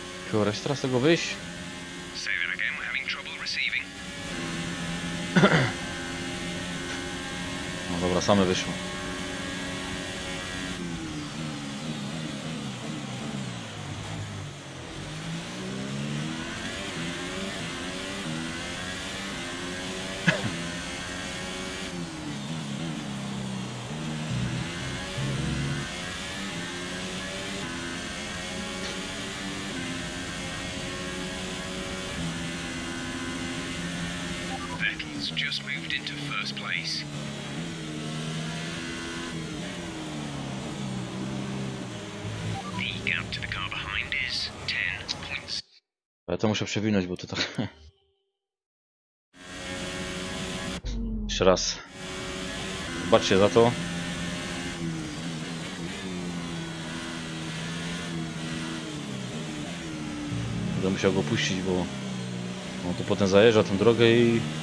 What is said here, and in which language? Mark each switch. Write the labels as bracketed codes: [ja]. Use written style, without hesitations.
[pl] Kurde, jeszcze raz tego wyjść? [en] Say that again, we're having trouble receiving. [pl] No dobra, same wyszło. [en] Just moved into first place. The gap to the car behind is 10 points. [pl] Ja to muszę przewinąć, bo to tak. Jeszcze raz. Zobaczcie za to. Będę musiał go puścić, bo on to potem zajeżdża tą drogę i.